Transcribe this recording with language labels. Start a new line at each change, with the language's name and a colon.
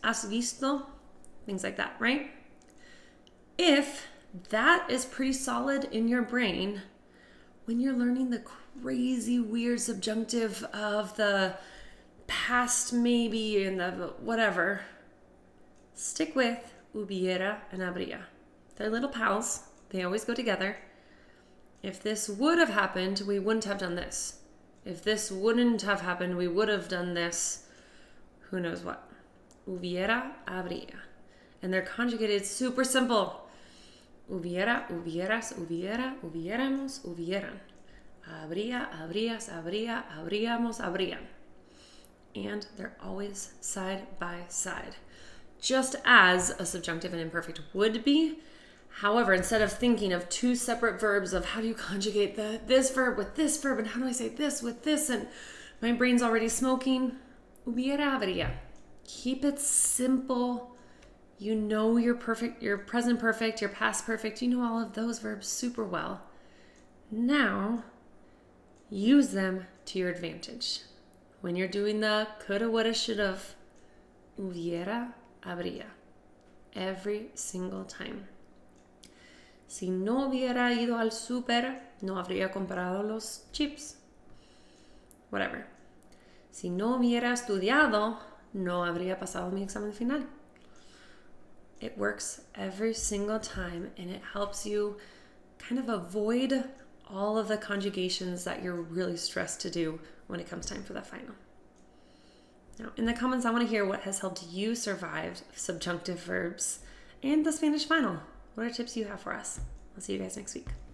Spanish: Has visto,
English: things like that, right? If that is pretty solid in your brain, when you're learning the crazy, weird subjunctive of the past, maybe, and the whatever, stick with hubiera and habría. They're little pals. They always go together. If this would have happened, we wouldn't have done this. If this wouldn't have happened, we would have done this. Who knows what? Hubiera, habría. And they're conjugated super simple.
Spanish: Hubiera, hubieras, hubiera, hubiéramos, hubieran. Habría, habrías, habría, habríamos, habrían.
English: And they're always side by side. Just as a subjunctive and imperfect would be. However, instead of thinking of two separate verbs of how do you conjugate this verb with this verb and how do I say this with this and my brain's already smoking, hubiera, habría. Keep it simple. You know you're perfect, your present perfect, your past perfect. You know all of those verbs super well. Now, use them to your advantage. When you're doing the coulda, woulda, shoulda, hubiera, habría. Every single time.
Spanish: Si no hubiera ido al super, no habría comprado los chips. Whatever. Si no hubiera estudiado, no habría pasado mi examen final.
English: It works every single time and it helps you kind of avoid all of the conjugations that you're really stressed to do when it comes time for the final. Now, in the comments, I want to hear what has helped you survive subjunctive verbs and the Spanish final. What are tips you have for us? I'll see you guys next week.